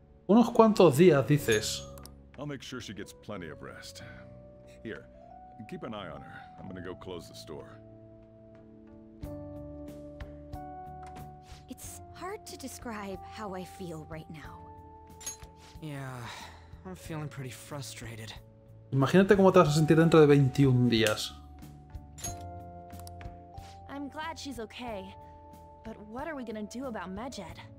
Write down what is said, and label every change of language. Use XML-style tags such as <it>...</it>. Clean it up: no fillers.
<es>Unos cuantos días, dices.</es> <en>I'll make sure she gets plenty of rest. Here, keep an eye on her. I'm gonna go close the store. It's hard to describe how I feel right now. Yeah, I'm feeling pretty frustrated.</en> <es>Imagínate cómo te vas a sentir dentro de 21 días.</es> <en>I'm glad she's okay, but what are we gonna do about Medjed?</en>